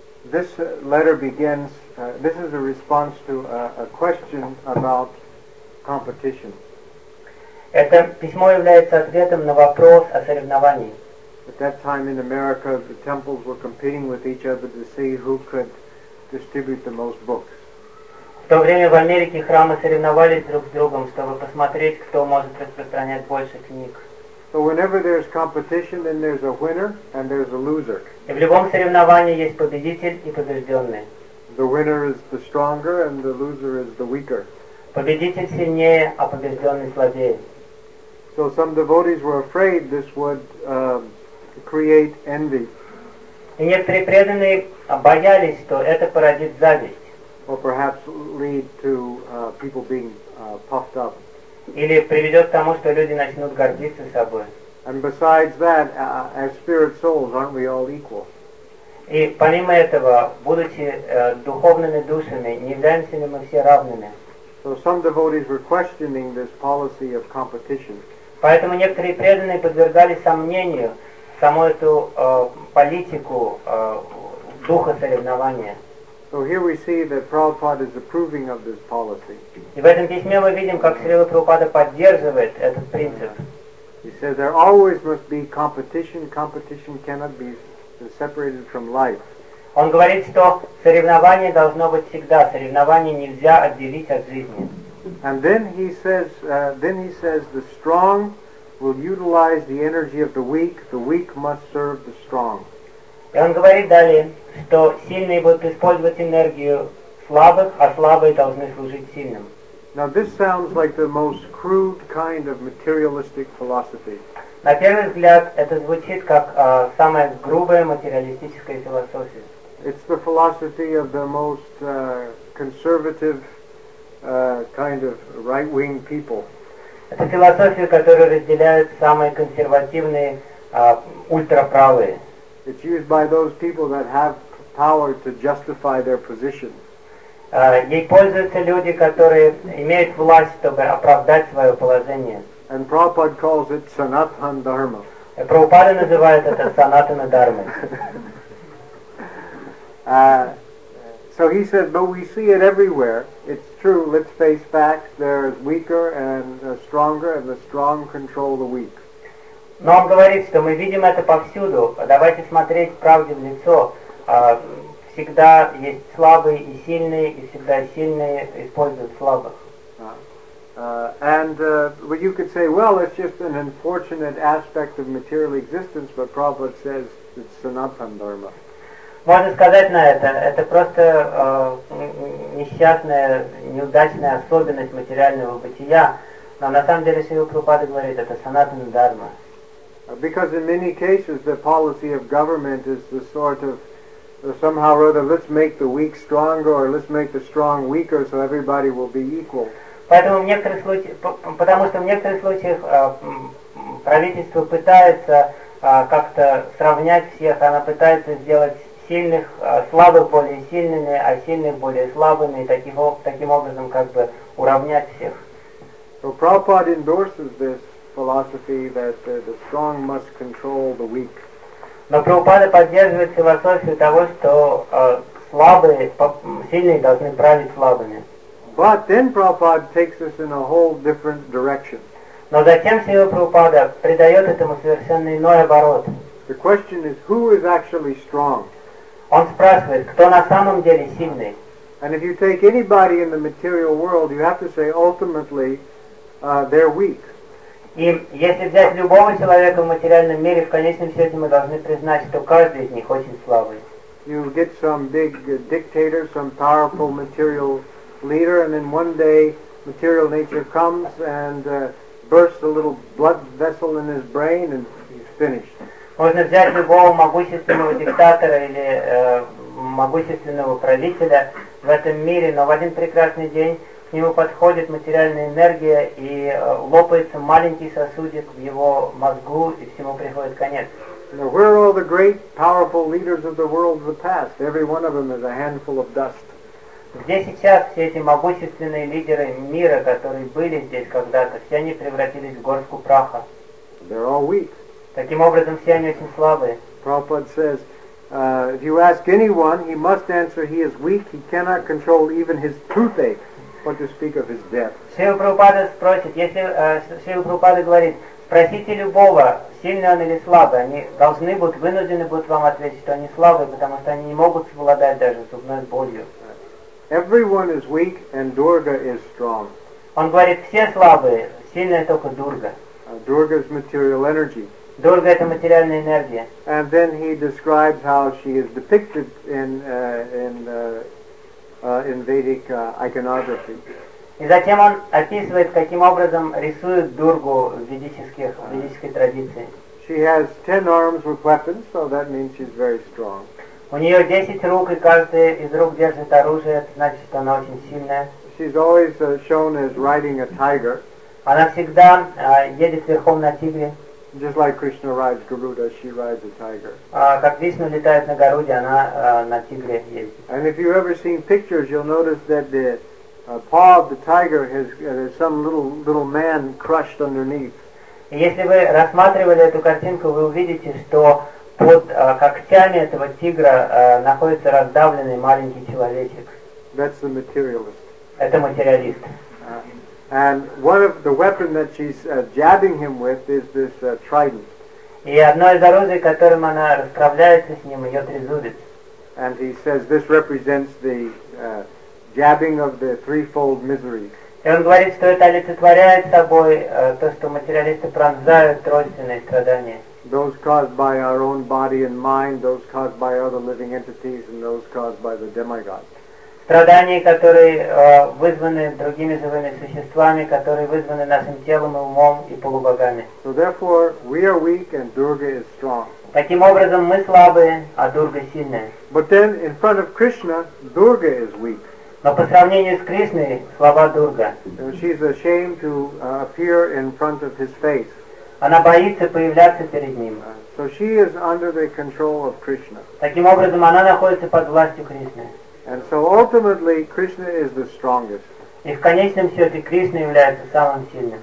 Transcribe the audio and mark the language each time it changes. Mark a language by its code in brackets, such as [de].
[en] This letter begins, this is a response to a question about competition. [ru] Это письмо является ответом на вопрос о соревновании. [en] At that time in America, the temples were competing with each other to see who could distribute the most books. [ru] В то время в Америке храмы соревновались друг с другом, чтобы посмотреть, кто может распространять больше книг. [en] So whenever there's competition, then there's a winner and there's a loser. [ru] И в любом соревновании есть победитель и побежденный. [en] The winner is the stronger and the loser is the weaker. [ru] Победитель сильнее, а побежденный слабее. [en] So some devotees were afraid this would create envy. [ru] И некоторые преданные боялись, что это породит зависть. [en] Or perhaps lead to people being puffed up. [ru] Или приведет к тому, что люди начнут гордиться собой. [en] And besides that, as spirit souls, aren't we all equal? [ru] И помимо этого, будучи духовными душами, не являемся ли мы все равными? [en] So some devotees were questioning this policy of competition. [ru] Поэтому некоторые преданные подвергали сомнению саму эту политику духа соревнования. [en] So here we see that Prabhupada is approving of this policy. [ru] И в этом письме мы видим, как Шрила Прабхупада поддерживает этот принцип. [en] He says there always must be competition. Competition cannot be separated from life. [ru] Он говорит, что соревнование должно быть всегда. Соревнование нельзя отделить от жизни. [en] And then he says the strong will utilize the energy of the weak. The weak must serve the strong. [ru] И он говорит далее, что сильные будут использовать энергию слабых, а слабые должны служить сильным. [en] Now this sounds like the most crude kind of materialistic philosophy. [ru] На первый взгляд, это звучит как самая грубая материалистическая философия. [en] It's the philosophy of the most conservative kind of right-wing people. [ru] Это философия, которую разделяют самые консервативные ультраправые. [en] It's used by those people that have power to justify their position. [ru] Ей пользуются люди, которые имеют власть, чтобы оправдать свое положение. [en] And Prabhupada calls it Sanatan Dharma. [ru] Прабхупада называет это Санатана Дхармой. [en] So he said, but we see it everywhere. It's true, let's face facts. There's weaker and stronger, and the strong control the weak. [ru] Но он говорит, что мы видим это повсюду. Давайте смотреть правде в лицо. Всегда есть слабые и сильные, и всегда сильные используют слабых. [en] Well, you could say, well, it's just an unfortunate aspect of material existence, but Prabhupada says it's Sanatana Dharma. [ru] Можно сказать на это просто несчастная, неудачная особенность материального бытия, но на самом деле Шрила Прабхупада говорит, это Sanatana Dharma. [en] Because in many cases the policy of government is the sort of somehow or other, let's make the weak stronger, or let's make the strong weaker, so everybody will be equal. [ru] Поэтому в некоторых случаях, потому что в некоторых случаях правительство пытается как-то сравнять всех, оно пытается сделать сильных слабых более сильными, а сильных более слабыми, и таким образом как бы уравнять всех. [en] So Prabhupada endorses this philosophy that the strong must control the weak. [ru] Но Прабхупада поддерживает философию того, что слабые, сильные должны править слабыми. [en] But then Prabhupada takes us in a whole different direction. [ru] Но затем Шрила Прабхупада придает этому совершенно иной оборот. [en] The question is, who is actually strong? [ru] Он спрашивает, кто на самом деле сильный? [en] And if you take anybody in the material world, you have to say ultimately, they're weak. [ru] И если взять любого человека в материальном мире, в конечном счете мы должны признать, что каждый из них очень слабый. [en] You get some big dictator, some powerful material leader, and then one day material nature comes and bursts a little blood vessel in his brain, and he's finished. [ru] Можно взять любого могущественного диктатора или могущественного правителя в этом мире, но в один прекрасный день нему подходит материальная энергия и лопается маленький сосудик в его мозгу, и всему приходит конец. [en] Now, where are all the great, powerful leaders of the world of the past? Every one of them is a handful of dust. [ru] Где сейчас все эти могущественные лидеры мира, которые были здесь когда-то? Все они превратились в горстку праха. [en] They're all weak. [ru] Таким образом, все они очень слабые. [en] Prabhupada says, if you ask anyone, he must answer, he is weak, he cannot control even his toothache, what to speak of his death. [ru] Шрила Прабхупада спросит, если Шрила Прабхупада говорит, спросите любого, сильный он или слабый, они должны будут, вынуждены будут вам ответить, что они слабые, потому что они не могут совладать даже зубной болью. [en] Everyone is weak and Durga is strong. [ru] Он говорит, все слабые, сильная только Дурга. [en] Durga is material energy. [ru] Дурга — это материальная энергия. [en] And then he describes how she is depicted in Vedic iconography. [ru] И затем он описывает, каким образом рисуют Дургу в ведической традиции. [en] She has 10 arms with weapons, so that means she's very strong. [ru] У нее 10 рук, и каждая из рук держит оружие, это значит, что она очень сильная. [en] She's always shown as riding a tiger. [ru] Она всегда едет верхом на тигре. [en] Just like Krishna rides Garuda, she rides a tiger. [ru] Как Вишна летает на Гаруде, она на тигре ездит. [en] And if you've ever seen pictures, you'll notice that the paw of the tiger has some little man crushed underneath. [ru] И если вы рассматривали эту картинку, вы увидите, что под когтями этого тигра находится раздавленный маленький человечек. [en] That's the materialist. [ru] Это материалист. [en] And one of the weapon that she's jabbing him with is this trident. [ru] И одно из орудий, которым она расправляется с ним, ее трезубец. [en] And he says this represents the jabbing of the threefold misery. [ru] И он говорит, что это олицетворяет собой то, что материалисты пронзают тройственные страдания. [en] Those caused by our own body and mind, those caused by other living entities, and those caused by the demigods. [ru] Страдания, которые вызваны другими живыми существами, которые вызваны нашим телом и умом и полубогами. [en] So therefore, we are weak and Durga is strong. [ru] Таким образом, мы слабые, а Дурга сильная. [en] But then, in front of Krishna, Durga is weak. [ru] Но по сравнению с Кришной, слаба Дурга. [en] And she's ashamed to appear in front of his face. [ru] Она боится появляться перед ним. [en] So she is under the control of Krishna. [ru] Таким образом, она находится под властью Кришны. [en] And so ultimately, Krishna is the strongest. [ru] И в конечном счете Кришна является самым сильным.